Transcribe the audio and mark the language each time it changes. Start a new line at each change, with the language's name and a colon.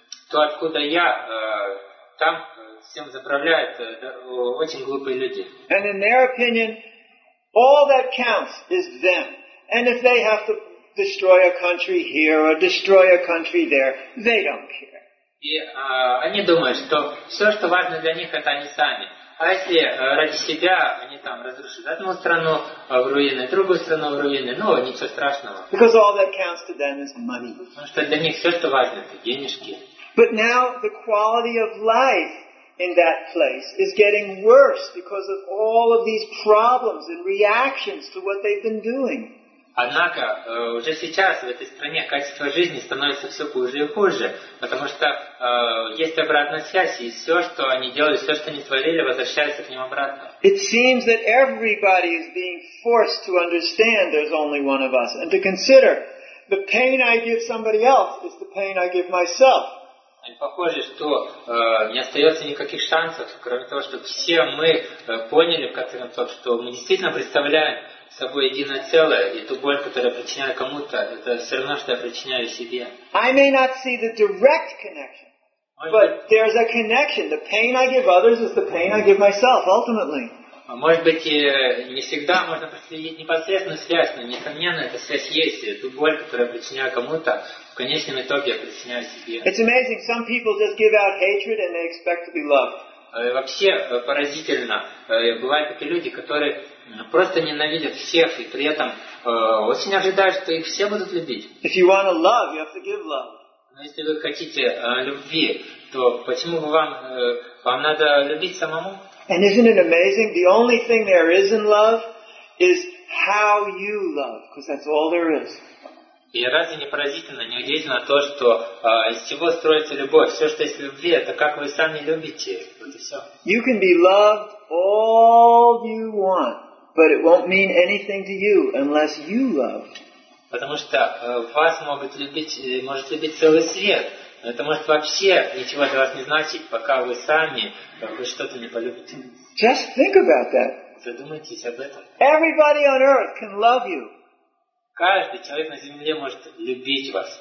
Russian: То, откуда я, там всем заправляют очень глупые люди.
English: And in their opinion, all that counts is them. And if they have to destroy a country here or destroy a country there, they don't care.
Russian: И они думают, что все, что важно для них, это они сами. А если ради себя они там разрушат одну страну в руины, другую страну в руины, ну, ничего страшного.
English: Because all that counts to them is money.
Russian: Потому что для них все, что важно, это денежки.
English: But now the quality of life in that place is getting worse because of all of these problems and reactions to what they've been doing.
Russian: Однако уже сейчас в этой стране качество жизни становится все хуже и хуже, потому что есть обратная связь, и все, что они делали, все, что они творили, возвращается к ним обратно.
English: It seems that everybody is being forced to understand there's only one of us and to consider the pain I give somebody else is the pain I give myself.
Russian: И похоже, что не остается никаких шансов, кроме того, чтобы все мы поняли, в конце концов, что мы действительно представляем собой единое целое, и ту боль, которую я причиняю кому-то, это все равно, что я причиняю себе.
English: I may not see the direct connection, but there's a connection. The pain I give others is the pain I give myself, ultimately.
Russian: Может быть, и не всегда можно проследить непосредственную связь, но, несомненно, эта связь есть. Эту боль, которую я причиняю кому-то, в конечном итоге я причиняю себе.
English: It's amazing. Some people just give out hatred and they expect to be loved.
Russian: Вообще поразительно. Бывают такие люди, которые просто ненавидят всех и при этом очень ожидают, что их все будут любить.
English: If you want to love, you have to give love.
Russian: Но если вы хотите любви, то почему бы вам надо любить самому?
English: And isn't it amazing? The only thing there is in love is how you love, because that's all there is.
Russian: И разве не поразительно, не удивительно то, что из чего строится любовь? Все, что есть в любви, это как вы сами любите. Вот и все.
English: You can be loved all you want, but it won't mean anything to you unless you love.
Russian: Потому что вас могут любить, может любить целый свет. Это может вообще ничего для вас не значить, пока вы сами вы что-то не полюбите.
English: Just think about that.
Russian: Задумайтесь об этом.
English: Everybody on earth can love you.
Russian: Каждый человек на земле может любить вас.